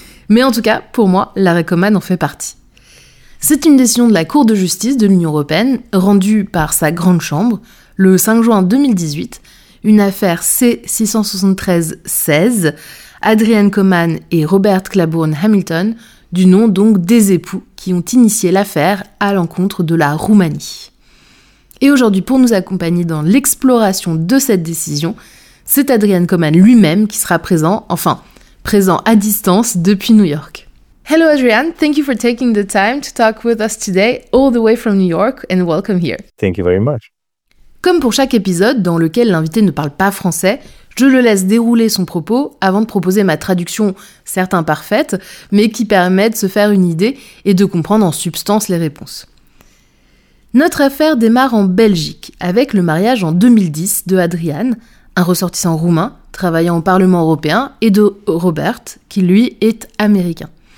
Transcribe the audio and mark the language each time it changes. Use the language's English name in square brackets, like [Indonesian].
[French] Mais en tout cas, pour moi, l'arrêt Coman en fait partie. C'est une décision de la Cour de justice de l'Union européenne, rendue par sa grande chambre, le 5 juin 2018, une affaire C-673-16, Adrian Coman et Robert Claiborne Hamilton, du nom donc des époux qui ont initié l'affaire à l'encontre de la Roumanie. Et aujourd'hui, pour nous accompagner dans l'exploration de cette décision, c'est Adrian Coman lui-même qui sera présent, enfin, présent à distance depuis New York. [English] Hello Adrian, thank you for taking the time to talk with us today all the way from New York and welcome here. Thank you very much. [French] Comme pour chaque épisode dans lequel l'invité ne parle pas français, je le laisse dérouler son propos avant de proposer ma traduction, certes imparfaite, mais qui permet de se faire une idée et de comprendre en substance les réponses. Notre affaire démarre en Belgique, avec le mariage en 2010 de Adrian, un ressortissant roumain travaillant au Parlement européen, et de Robert, qui lui est américain.